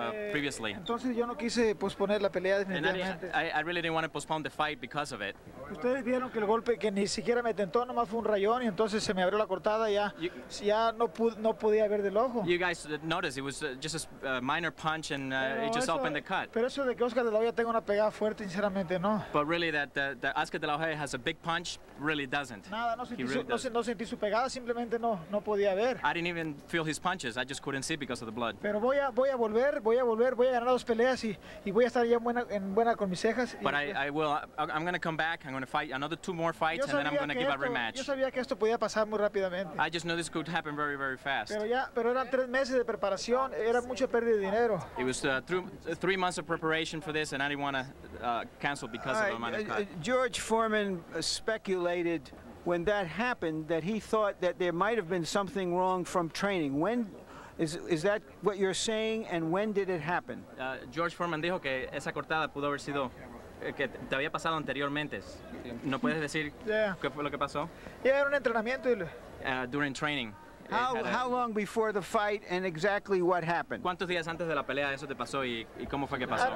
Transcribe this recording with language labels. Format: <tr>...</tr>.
<en>Previously.</en> <es>Entonces yo no quise posponer la pelea definitivamente.</es> <en>I really didn't want to postpone the fight because of it.</en> <es>Ustedes vieron que el golpe que ni siquiera me tentó, nomás fue un rayón y entonces se me abrió la cortada ya. Ya no podía ver del ojo.</es> <en>You guys noticed it was just a minor punch and it just opened the cut.</en> <es>Pero eso de que Oscar de la Hoya tenga una pegada fuerte, sinceramente no.</es> <en>But really that Oscar de la Hoya has a big punch, really doesn't.</en> <es>Nada, no sentí su pegada, simplemente no podía ver.</es> <en>I didn't even feel his punches. I just couldn't see because of the blood.</en> <es>Pero voy a volver. Voy a ganar dos peleas y voy a estar ya en buena con mis cejas.</es> <en>But I'm going to come back. I'm going to fight another two more fights and then I'm going to give a rematch.</en> <es>Yo sabía que esto podía pasar muy rápidamente.</es> <en>I just knew this could happen very, very fast.</en> <es>Pero eran tres meses de preparación. Era mucha pérdida de dinero.</es> <en>It was three months of preparation for this and I didn't want to cancel because of the amount of cut. George Foreman speculated when that happened that he thought that there might have been something wrong from training. Is that what you're saying, and when did it happen?</en> <es>George Foreman dijo que esa cortada pudo haber sido que te había pasado anteriormente. ¿No puedes decir qué fue lo que pasó? Era un entrenamiento.</es> <en>During training. How long before the fight and exactly what happened?</en> <es>¿Cuántos días antes de la pelea eso te pasó y cómo fue que pasó?</es>